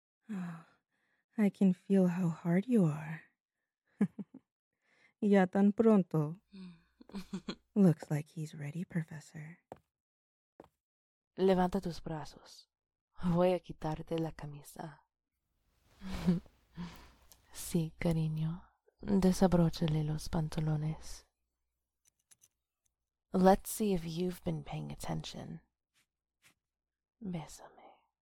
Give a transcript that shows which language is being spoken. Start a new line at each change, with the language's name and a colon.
English: Oh, I can feel how hard you are.
Spanish: Ya tan pronto.
English: Looks like he's ready, Professor.
Spanish: Levanta tus brazos. Voy a quitarte la camisa. Sí, cariño. Desabróchale los pantalones.
English: Let's see if you've been paying attention.
Spanish: Bésame.